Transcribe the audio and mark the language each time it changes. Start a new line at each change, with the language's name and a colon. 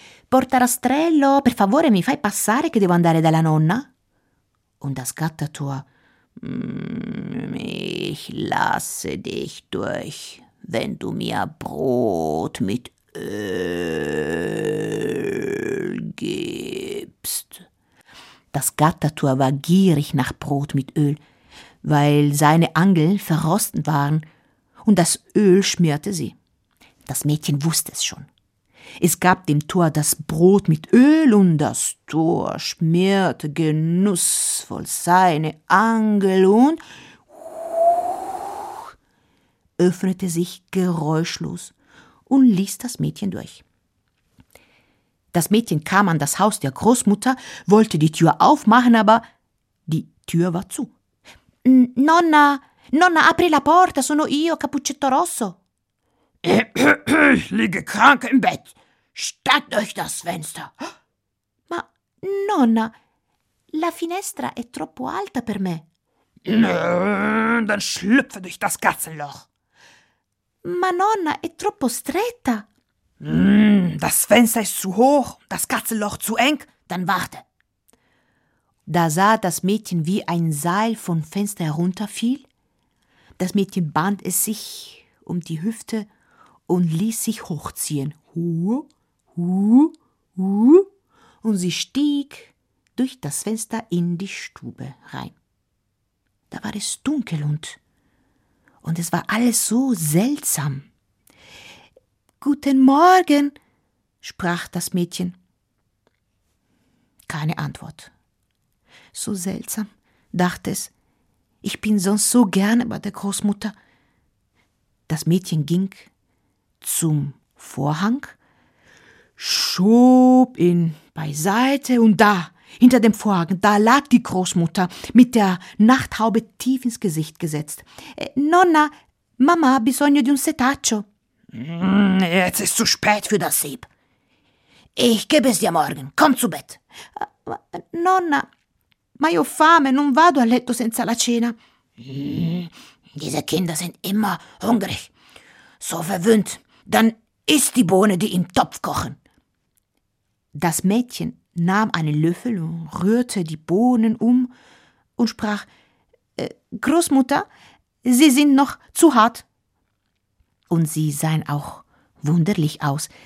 Italian: Porta rastrello, per favore mi fai passare che devo andare dalla nonna.
German: Und das Gattertor: Ich lasse dich durch, wenn du mir Brot mit Öl gibst. Das Gattertor war gierig nach Brot mit Öl, weil seine Angeln verrosten waren. Und das Öl schmierte sie. Das Mädchen wusste es schon. Es gab dem Tor das Brot mit Öl und das Tor schmierte genussvoll seine Angel und öffnete sich geräuschlos und ließ das Mädchen durch. Das Mädchen kam an das Haus der Großmutter, wollte die Tür aufmachen, aber die Tür war zu.
Italian: »Nonna!« »Nonna, apri la porta, sono io, Cappuccetto Rosso.«
German: »Ich liege krank im Bett. Steigt durch das Fenster.«
Italian: »Ma, Nonna, la finestra è troppo alta per me.«
German: »Dann schlüpfe durch das Katzenloch.«
Italian: »Ma, Nonna, è troppo stretta.«
German: »Das Fenster ist zu hoch, das Katzenloch zu eng, dann warte.« Da sah das Mädchen, wie ein Seil vom Fenster herunterfiel. Das Mädchen band es sich um die Hüfte und ließ sich hochziehen. und sie stieg durch das Fenster in die Stube rein. Da war es dunkel und es war alles so seltsam. »Guten Morgen«, sprach das Mädchen. Keine Antwort. »So seltsam«, dachte es. »Ich bin sonst so gerne bei der Großmutter.« Das Mädchen ging zum Vorhang, schob ihn beiseite und da, hinter dem Vorhang, da lag die Großmutter mit der Nachthaube tief ins Gesicht gesetzt.
Italian: »Nonna, Mama, bisogno di un setaccio.«
German: »Jetzt ist zu spät für das Sieb. Ich gebe es dir morgen. Komm zu Bett.«
Italian: »Nonna, ma io fame, non vado a letto senza la cena.«
German: »Diese Kinder sind immer hungrig. So verwöhnt, dann isst die Bohne, die im Topf kochen.« Das Mädchen nahm einen Löffel und rührte die Bohnen um und sprach, »Großmutter, Sie sind noch zu hart.« Und sie sahen auch wunderlich aus.